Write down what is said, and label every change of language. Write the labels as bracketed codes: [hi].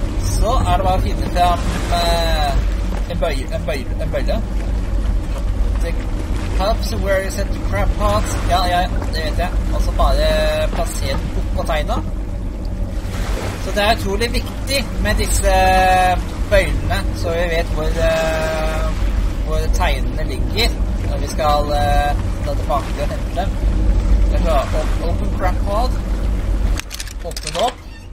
[no] Så det bare å finne fram en bøyle. [en] Trykk Helps where you set the crab pots. [no] Ja, ja, det vet jeg. Og så bare plassere den opp på tegnet. Så det utrolig viktig med disse bøylene, så vi vet hvor tegnene ligger når vi skal ta tilbake og hente dem. Jeg tror open crab pot. Åpne det opp.